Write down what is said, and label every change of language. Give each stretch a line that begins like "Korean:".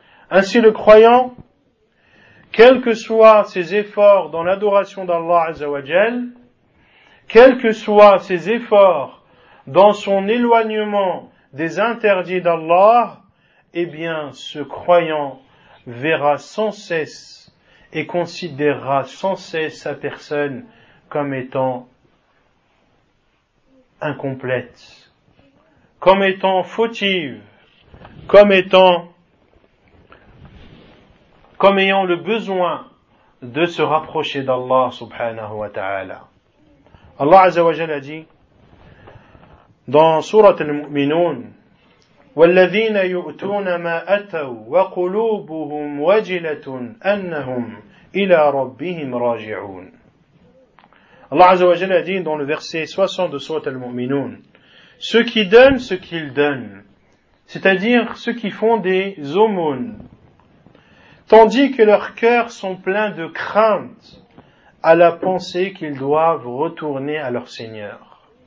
French: Ainsi le croyant, quels que soient ses efforts dans l'adoration d'Allah Azzawajal, quels que soient ses efforts dans son éloignement des interdits d'Allah, eh bien, ce croyant verra sans cesse et considérera sans cesse sa personne comme étant incomplète, comme étant fautive, comme étant, comme ayant le besoin de se rapprocher d'Allah subhanahu wa ta'ala. Allah Azza wa Jalla a dit dans Surat al-Mu'minun,
Arabic: والذين يؤتون ما أتوا وقلوبهم وجلة أنهم إلى ربهم راجعون.
French: الله عز وجل dit dans le verset 60 de sourate Al-Mu'minun, ceux qui donnent ce qu'ils donnent, c'est-à-dire ceux qui font des aumônes, tandis que leurs cœurs sont pleins de crainte à la pensée qu'ils doivent retourner à leur Seigneur.